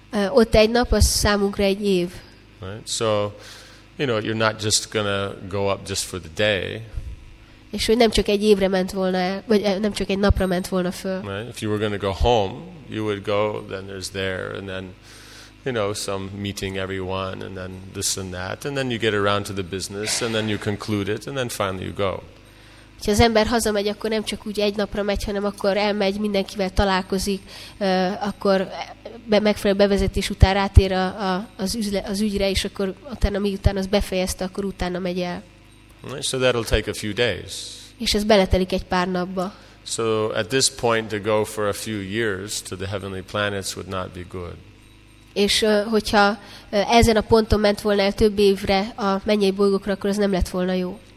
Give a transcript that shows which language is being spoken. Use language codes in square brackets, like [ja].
[hu] Ott egy nap, az számunkra egy év. [en] Right. So, you know, you're not just gonna go up just for the day. [hu] És hogy nem csak egy évre ment volna el, vagy nem csak egy napra ment volna föl. [en] Right. If you were gonna go home, you would go, then there's there, and then, you know, some meeting everyone, and then this and that, and then you get around to the business, and then you conclude it, and then finally you go. [hu] Ha az ember hazamegy, akkor nem csak úgy egy napra megy, hanem akkor elmegy, mindenkivel találkozik, akkor megfelelő bevezetés után rátér az ügyre, és akkor utána, miután az befejezte, akkor utána megy el. [en] So that'll take a few days. [hu] És ez beletelik egy pár napba. [en] So at this point to go for a few years to the heavenly planets would not be good. [hu] És hogyha ezen a ponton ment volna el több évre a mennyei bolygókra, akkor ez nem lett volna jó.